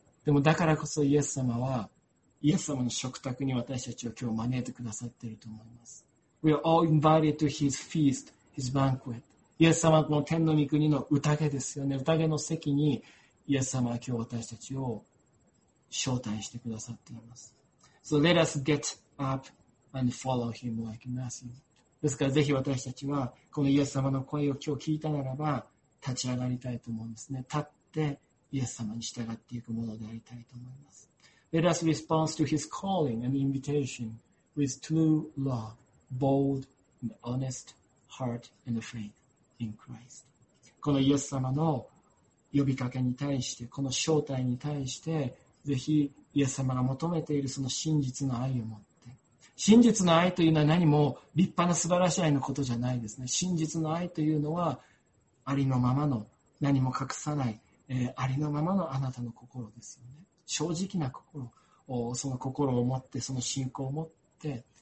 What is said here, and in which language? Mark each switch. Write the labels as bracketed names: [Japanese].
[Japanese] でもだからこそイエス様は、イエス様の食卓に私たちを今日招いてくださっていると思います。 [English] We are all invited to his feast, his banquet. [Japanese] イエス様の天の御国の宴ですよね。宴の席にイエス様は今日私たちを招待してくださっています。 [English] So let us get up and follow him like Matthew. [Japanese] ですからぜひ私たちはこのイエス様の声を今日聞いたならば立ち上がりたいと思うんですね。立ってイエス様に従っていくものでありたいと思います。 [English] Let us respond to his calling and invitation with true love, bold and honest heart and faith. In Christ. [Japanese] このイエス様の呼びかけに対して、この招待に対して、ぜひイエス様が求めているその真実の愛を持って。真実の愛というのは何も立派な素晴らしい愛のことじゃないですね。真実の愛というのは、ありのままの、何も隠さない、ありのままのあなたの心ですよね。正直な心を、その心を持って、その信仰を持って、